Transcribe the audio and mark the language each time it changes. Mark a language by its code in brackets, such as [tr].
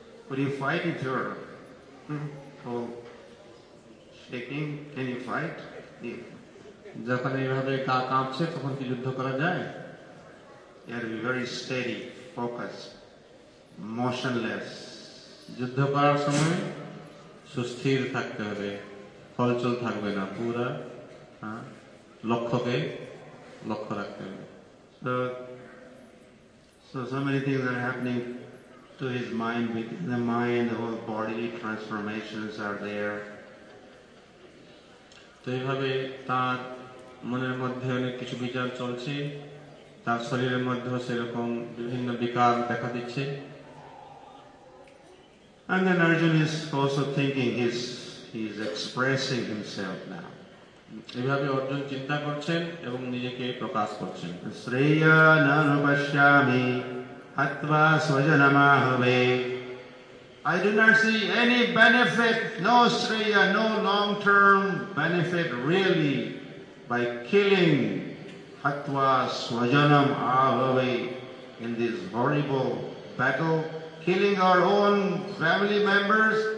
[en] We fight it here shaking, can you fight? [bn] যখন এইভাবে গা কাঁপছে তখন কি যুদ্ধ করা যায়? [en] You have to be very steady, focused, motionless. [bn] যুদ্ধ করার সময় সুস্থির থাকতে হবে, হলচল থাকবে না, পুরো লক্ষ্যকে লক্ষ্য রাখতে হবে। [en] So many things are happening to his mind, within the mind, the whole bodily transformations are there. [bn] তো এইভাবে তার মনের মধ্যে অনেক কিছু বিচার চলছে, তার শরীরের মধ্যে সেরকম বিভিন্ন বিকার দেখা দিচ্ছে। [en] And then Arjun is also thinking, he is expressing himself now. [bn] এইভাবে অর্জুন চিন্তা করছেন এবং নিজেকে প্রকাশ করছেন। [sa] Shreya নানুপশ্যামি হত্বা স্বজনমাহবে, [en] I do not see any benefit, no shreya, no long-term benefit really by killing [sa] hatva swajanam ahave [en] in this horrible battle, killing our own family members.